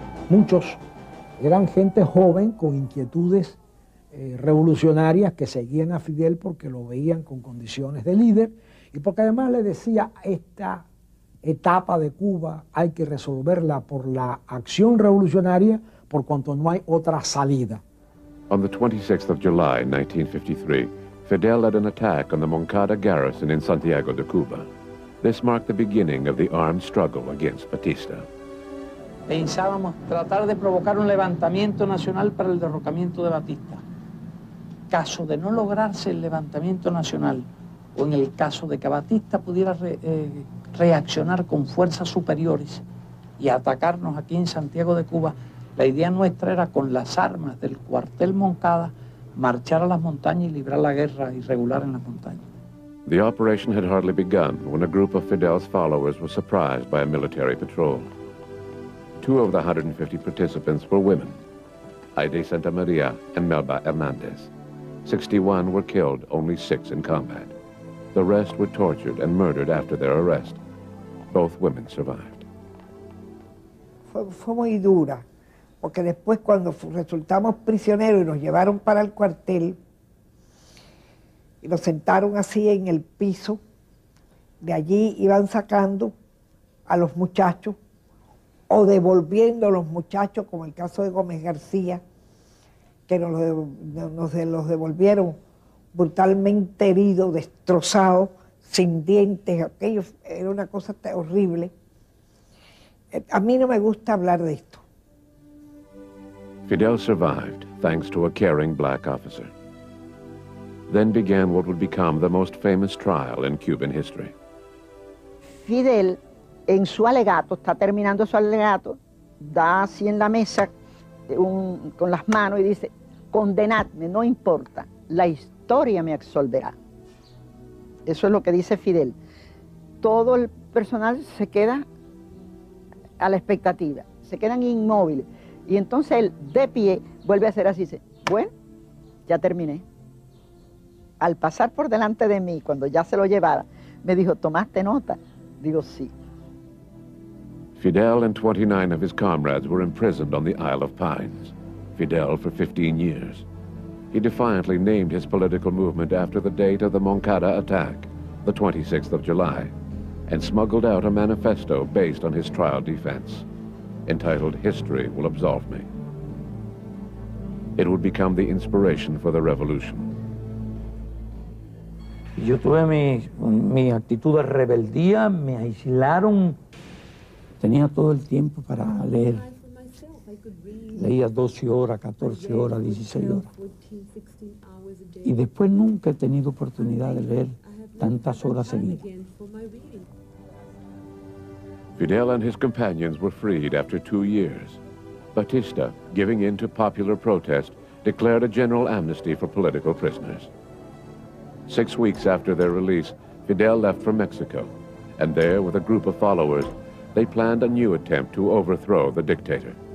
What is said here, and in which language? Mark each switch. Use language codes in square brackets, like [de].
[es] Muchos eran gente joven con inquietudes revolucionarias que seguían a Fidel porque lo veían con condiciones de líder y porque además le decía esta etapa de Cuba hay que resolverla por la acción revolucionaria por cuanto no hay otra salida. [en] On the 26th of July 1953, Fidel led an attack on the Moncada garrison in Santiago de Cuba. This marked the beginning of the armed struggle against Batista. [es] Pensábamos tratar de provocar un levantamiento nacional para el derrocamiento de Batista. Caso de no lograrse el levantamiento nacional, o en el caso de que Batista pudiera reaccionar con fuerzas superiores y atacarnos aquí en Santiago de Cuba, la idea nuestra era con las armas del cuartel Moncada marchar a las montañas y librar la guerra irregular en las montañas. [en] The operation had hardly begun when a group of Fidel's followers was surprised by a military patrol. Two of the 150 participants were women, Aide Santa Maria and Melba Hernandez. 61 were killed, only 6 in combat. The rest were tortured and murdered after their arrest. Both women survived. [es] Fue muy dura, porque después cuando resultamos prisioneros y nos llevaron para el cuartel, y nos sentaron así en el piso, de allí iban sacando a los muchachos, o devolviendo a los muchachos, como el caso de Gómez García, que nos los devolvieron brutalmente herido, destrozado, sin dientes, aquello era una cosa horrible. A mí no me gusta hablar de esto. [en] Fidel survived thanks to a caring black officer. Then began what would become the most famous trial in Cuban history. [es] Fidel, en su alegato, está terminando su alegato, da así en la mesa con las manos y dice, condenadme, no importa, la historia me absolverá. Eso es lo que dice Fidel. Todo el personal se queda a la expectativa, se quedan inmóviles. Y entonces él, de pie, vuelve a hacer así, dice, bueno, ya terminé. Al pasar por delante de mí, cuando ya se lo llevara, me dijo, ¿tomaste nota? Digo, sí. [en] Fidel and 29 of his comrades were imprisoned on the Isle of Pines. Fidel for 15 years. He defiantly named his political movement after the date of the Moncada attack, the 26th of July, and smuggled out a manifesto based on his trial defense, entitled History Will Absolve Me. It would become the inspiration for the revolution. [es] Yo tuve mi actitud de rebeldía, me aislaron. Tenía todo el tiempo para leer. Leía 12 horas, 14 horas, 16 horas. y después nunca he tenido oportunidad de leer tantas horas seguidas. [en] Fidel and his companions were freed after 2 years. Batista, giving in to popular protest, declared a general amnesty for political prisoners. 6 weeks after their release, Fidel left for Mexico, and there, with a group of followers, they planned a new attempt to overthrow the dictator.